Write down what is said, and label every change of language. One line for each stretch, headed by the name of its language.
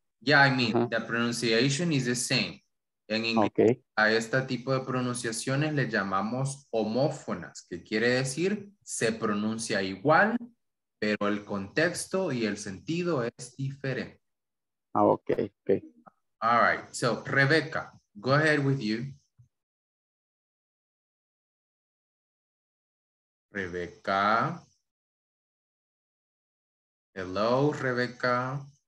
English: Yeah, I mean, uh-huh. The pronunciation is the same.
Spanish: En inglés,
English: okay.
Spanish: A este tipo de pronunciaciones le llamamos homófonas, que quiere decir se pronuncia igual, pero el contexto y el sentido es diferente.
English: Ah, okay, okay. All right, so Rebecca, go ahead with you. Rebecca. Hello, Rebecca.